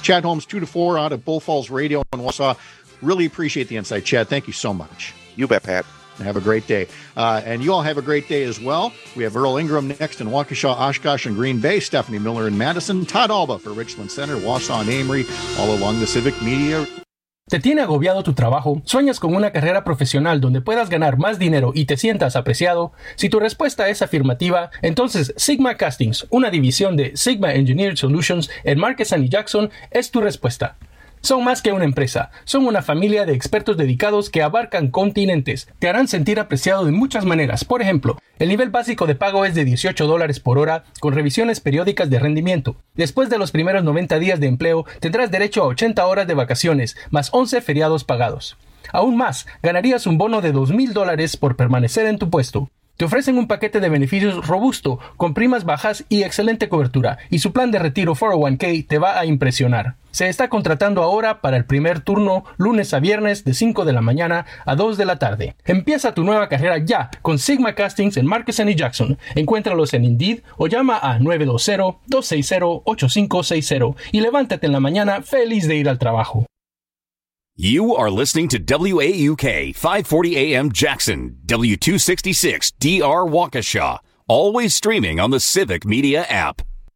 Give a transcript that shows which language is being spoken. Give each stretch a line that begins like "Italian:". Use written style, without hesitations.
English: Chad Holmes, 2 to 4 out of Bull Falls Radio in Wausau. Really appreciate the insight, Chad. Thank you so much. You bet, Pat. Have a great day. And you all have a great day as well. We have Earl Ingram next in Waukesha, Oshkosh, and Green Bay, Stephanie Miller in Madison, Todd Alba for Richland Center, Wausau, and Amory, all along the Civic Media.
Spanish: ¿Te tiene agobiado tu trabajo? ¿Sueñas con una carrera profesional donde puedas ganar más dinero y te sientas apreciado? Si tu respuesta es afirmativa, entonces Sigma Castings, una división de Sigma Engineered Solutions en Marquesan y Jackson, es tu respuesta. son más que una empresa. Son una familia de expertos dedicados que abarcan continentes. Te harán sentir apreciado de muchas maneras. Por ejemplo, el nivel básico de pago es de $18 por hora con revisiones periódicas de rendimiento. Después de los primeros 90 días de empleo, tendrás derecho a 80 horas de vacaciones más 11 feriados pagados. Aún más, ganarías un bono de $2,000 por permanecer en tu puesto. Te ofrecen un paquete de beneficios robusto, con primas bajas y excelente cobertura, y su plan de retiro 401k te va a impresionar. Se está contratando ahora para el primer turno, lunes a viernes, de 5 de la mañana a 2 de la tarde. Empieza tu nueva carrera ya con Sigma Castings en Marquesan y Jackson. Encuéntralos en Indeed o llama a 920-260-8560 y levántate en la mañana feliz de ir al trabajo.
English: You are listening to WAUK 540 AM Jackson, W266 DR Waukesha, always streaming on the Civic Media app.